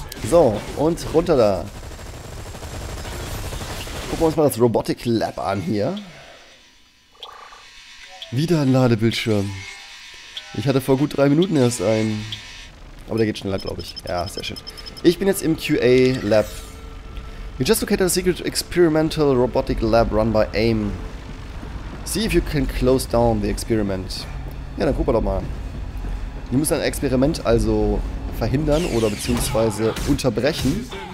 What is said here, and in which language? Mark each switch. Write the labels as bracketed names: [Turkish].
[German] So, und runter da. Gucken wir uns mal das Robotic Lab an hier. Wieder ein Ladebildschirm. Ich hatte vor gut 3 Minuten erst einen. Aber der geht schneller, glaube ich. Ja, sehr schön. Ich bin jetzt im QA-Lab. [English] You just located a secret experimental robotic lab run by AIM. See if you can close down the experiment. [German] Ja, dann gucken wir doch mal. Wir müssen ein Experiment also verhindern oder beziehungsweise unterbrechen.